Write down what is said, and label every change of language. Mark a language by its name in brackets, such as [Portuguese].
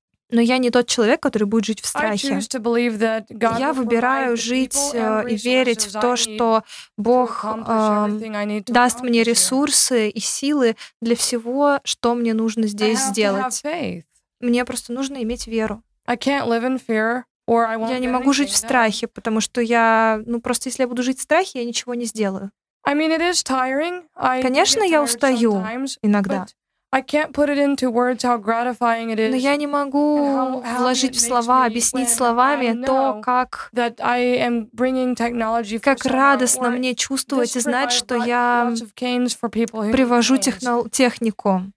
[Russian] Но я не тот человек, который будет жить в страхе. Я выбираю жить и верить в то, что Бог даст мне ресурсы и силы для всего, что мне нужно здесь сделать. Мне просто нужно иметь веру. Я не могу жить в страхе, потому что я... Ну, просто если я буду жить в страхе, я ничего не сделаю. Конечно, я устаю иногда. [English] I can't put it into words how gratifying it is. [Russian] Но я не могу вложить в слова, объяснить словами то, как [English] that I am bringing technology for [Russian] как радостно мне чувствовать и знать, что я привожу технику.